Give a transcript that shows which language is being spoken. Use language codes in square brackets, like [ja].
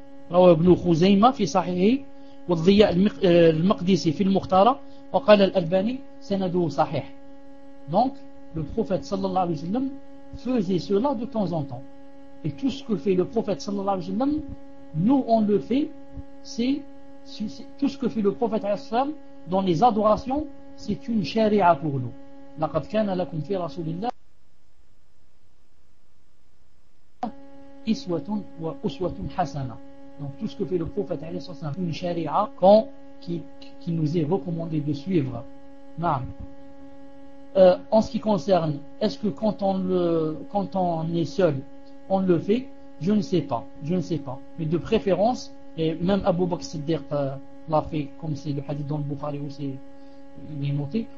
[ar] روى ابن خزيمة في صحيحه والضياء المقدسي في المختارة وقال الألباني سنده صحيح. [fr] Donc le prophète sallallahu alayhi wa sallam faisait cela de temps en temps. Et tout ce que fait le prophète sallallahu alayhi wa sallam, nous on le fait, c'est tout ce que fait le prophète sallallahu alayhi wa sallam dans les adorations, c'est une sharia pour nous. [ar] لقد كان لكم في رسول الله إسوة وأسوة حسنة. [fr] Donc tout ce que fait le prophète alayhi salam, c'est une sharia qui nous est recommandé de suivre. En ce qui concerne, est-ce que quand on est seul, on le fait? Je ne sais pas. Je ne sais pas. Mais de préférence, et même Abu Bakr Siddiq l'a fait, comme c'est le hadith dans le Bukhari où c'est il est noté.